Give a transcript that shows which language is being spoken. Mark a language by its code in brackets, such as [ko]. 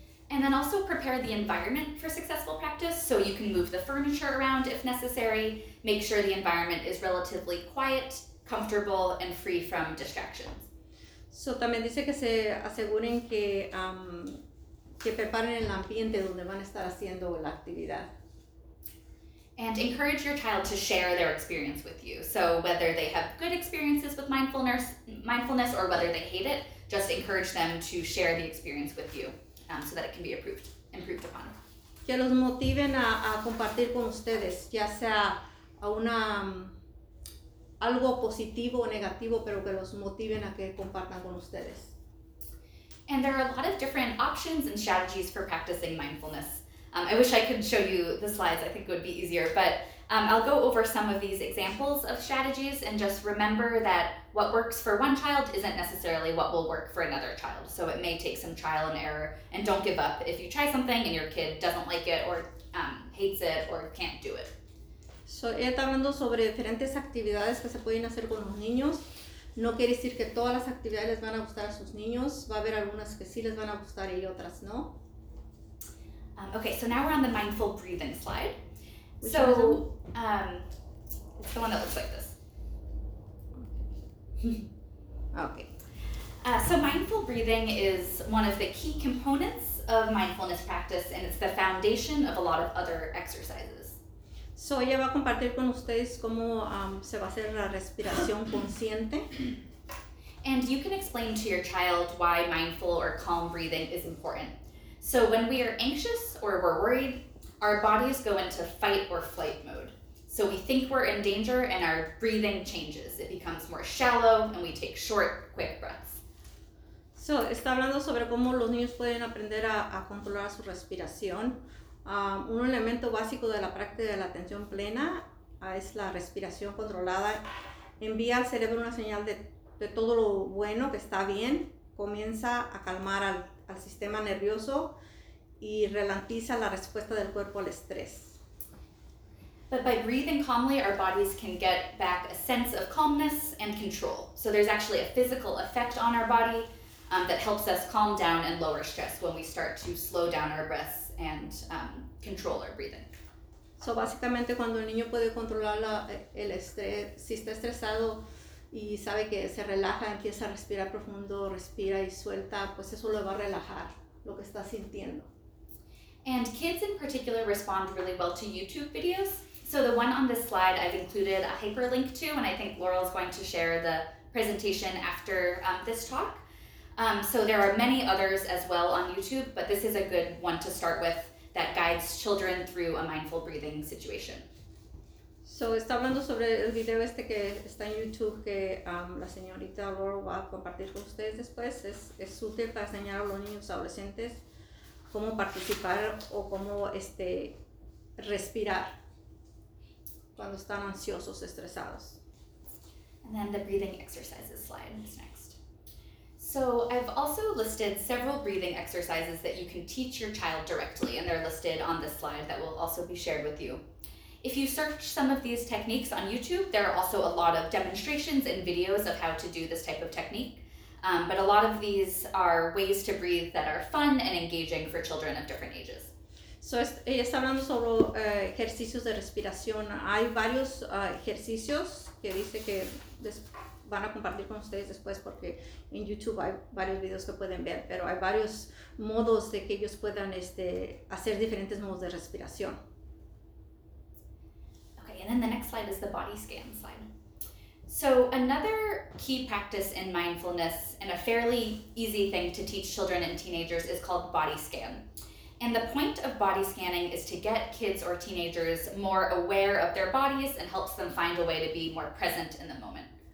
[en] And then also prepare the environment for successful practice, so you can move the furniture around if necessary, make sure the environment is relatively quiet, comfortable, and free from distractions. [es] So también dice que se aseguren que preparen el ambiente donde van a estar haciendo la actividad. [en] And encourage your child to share their experience with you. So whether they have good experiences with mindfulness or whether they hate it, just encourage them to share the experience with you. So that it can be improved upon. [es] Que los motiven a compartir con ustedes, ya sea a una algo positivo o negativo, pero que los motiven a que compartan con ustedes. [en] And there are a lot of different options and strategies for practicing mindfulness. I wish I could show you the slides, I think it would be easier, but I'll go over some of these examples of strategies and just remember that what works for one child isn't necessarily what will work for another child. So it may take some trial and error, and don't give up if you try something and your kid doesn't like it or hates it or can't do it. [es] So ella está hablando sobre diferentes actividades que se pueden hacer con los niños. No quiere decir que todas las actividades les van a gustar a sus niños. Va a haber algunas que sí les van a gustar y otras no. [en] Okay, so now we're on the mindful breathing slide. Which so, it's the one that looks like this. Okay. So mindful breathing is one of the key components of mindfulness practice, and it's the foundation of a lot of other exercises. [es] So ella va a compartir con ustedes cómo se va a hacer la respiración consciente. [en] And you can explain to your child why mindful or calm breathing is important. So when we are anxious or we're worried, our bodies go into fight or flight mode. So we think we're in danger and our breathing changes. It becomes more shallow and we take short, quick breaths. [es] So está hablando sobre cómo los niños pueden aprender a controlar su respiración. Un elemento básico de la práctica de la atención plena es la respiración controlada. Envía al cerebro una señal de todo lo bueno que está bien. Comienza a calmar al sistema nervioso y ralentiza la respuesta del cuerpo al estrés. [en] But by breathing calmly, our bodies can get back a sense of calmness and control. So there's actually a physical effect on our body that helps us calm down and lower stress when we start to slow down our breaths and control our breathing. [es] So básicamente cuando el niño puede controlar el estrés, si está estresado y sabe que se relaja, empieza a respirar profundo, respira y suelta, pues eso lo va a relajar, lo que está sintiendo. [en] And kids in particular respond really well to YouTube videos. So the one on this slide I've included a hyperlink to, and I think Laurel is going to share the presentation after this talk. So there are many others as well on YouTube, but this is a good one to start with that guides children through a mindful breathing situation. [es] So está hablando sobre el video este que está en YouTube que la señorita Laura va a compartir con ustedes después. Es útil para enseñar a los niños adolescentes cómo participar o cómo respirar cuando están ansiosos, estresados. [en] And then the breathing exercises slide is next. So I've also listed several breathing exercises that you can teach your child directly, and they're listed on this slide that will also be shared with you. If you search some of these techniques on YouTube, there are also a lot of demonstrations and videos of how to do this type of technique, but a lot of these are ways to breathe that are fun and engaging for children of different ages. [es] So ella está hablando sobre ejercicios de respiración. Hay varios ejercicios que dice que van a compartir con ustedes después porque en YouTube hay varios videos que pueden ver, pero hay varios modos de que ellos puedan hacer diferentes modos de respiración. [en] Okay, and then the next slide is the body scan slide. So another key practice in mindfulness and a fairly easy thing to teach children and teenagers is called body scan. And the point of body scanning is to get kids or teenagers more aware of their bodies and helps them find a way to be more present in the moment.